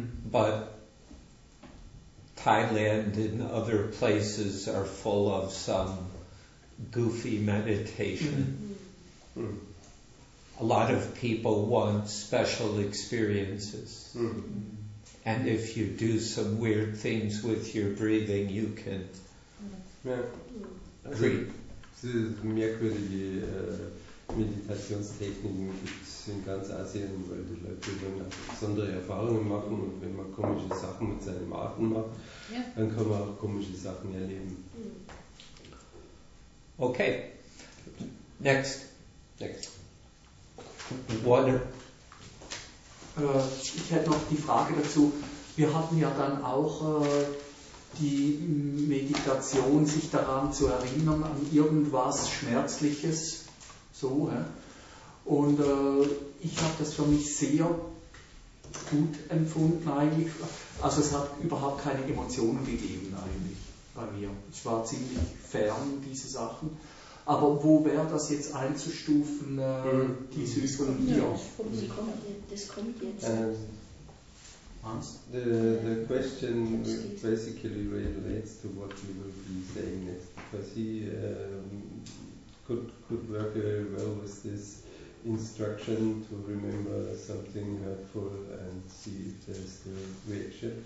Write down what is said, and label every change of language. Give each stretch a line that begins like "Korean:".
English: But Thailand and other places are full of some goofy meditation. A lot of people want special experiences. And if you do some weird things with your breathing, you can create.
German: Merkwürdige Meditationstechniken gibt es in ganz Asien, weil die Leute dann besondere Erfahrungen machen, und wenn man komische Sachen mit seinem Atem macht, dann kann man auch komische Sachen erleben.
English: Okay. Next. Water.
German: Ich hätte noch die Frage dazu. Wir hatten ja dann auch die Meditation, sich daran zu erinnern, an irgendwas Schmerzliches. So, ja. Und ich habe das für mich sehr gut empfunden eigentlich. Also es hat überhaupt keine Emotionen gegeben eigentlich bei mir. Es war ziemlich fern, diese Sachen. Aber wo wäre das jetzt einzustufen, die Süß von mir? Das kommt jetzt.
English: The question basically relates to what you will be saying next. Because he could work very well with this instruction to remember something helpful and see if there's the reaction.